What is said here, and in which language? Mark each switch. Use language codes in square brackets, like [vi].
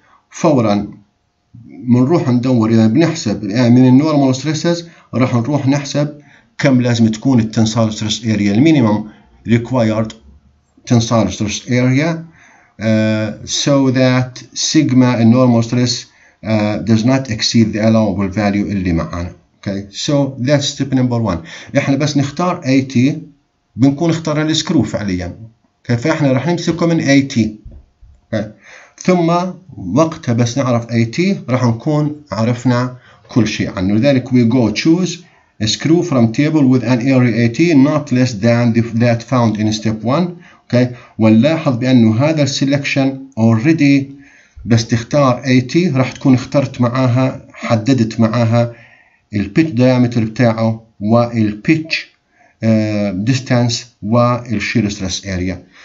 [ar] فورا بنروح ندور، اذا بنحسب من النورمال ستريسز راح نروح نحسب كم لازم تكون التنسال ستريس اريا، المينيمم ريكوايرد تنسال ستريس اريا [en] so that sigma in normal stress does not exceed the allowable value [ar] اللي معانا. [en] Okay, so that's step number one. [ar] احنا بس نختار AT، بنكون اخترنا السكرو فعليا. Okay, فاحنا راح نمسكه من AT. [en] Okay. [ar] ثم وقتها بس نعرف AT راح نكون عرفنا كل شيء عنه. لذلك [en] we go choose a screw from table with an area AT not less than that found in step one. Okay. [ar] ونلاحظ بأنه هذا السيلكشن already بس تختار AT راح تكون اخترت معاها، حددت معاها البيتش دايامتر بتاعه والبيتش ديستانس والشير ستريس اريا.